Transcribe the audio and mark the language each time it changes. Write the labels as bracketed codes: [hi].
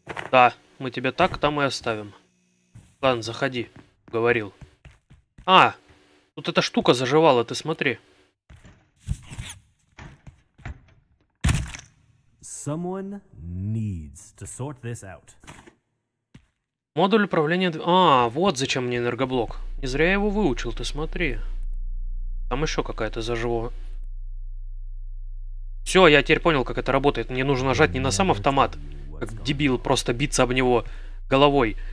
[ru] Да, мы тебя так там и оставим. Ладно, заходи, говорил. А, тут эта штука заживала, ты смотри. [en] Someone needs to sort this out. [ru] Модуль управления... А, вот зачем мне энергоблок. Не зря я его выучил, ты смотри. Там еще какая-то заживо. Все, я теперь понял, как это работает. Мне нужно нажать не на сам автомат, как дебил, просто биться об него головой.